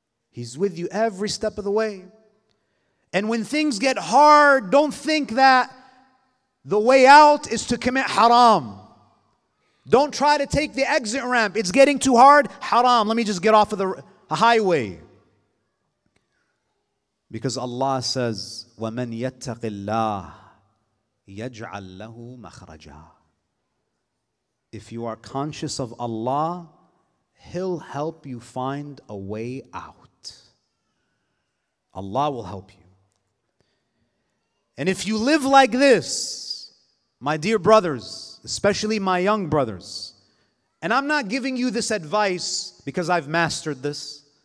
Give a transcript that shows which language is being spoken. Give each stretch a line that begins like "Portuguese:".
English: He's with you every step of the way. And when things get hard, don't think that the way out is to commit haram. Don't try to take the exit ramp. It's getting too hard. Haram. Let me just get off of the highway. Because Allah says,
Arabic: وَمَنْ يَتَّقِ اللَّهِ يَجْعَلْ لَهُ مَخْرَجًا.
English: If you are conscious of Allah, He'll help you find a way out. Allah will help you. And if you live like this, my dear brothers, especially my young brothers, and I'm not giving you this advice because I've mastered this.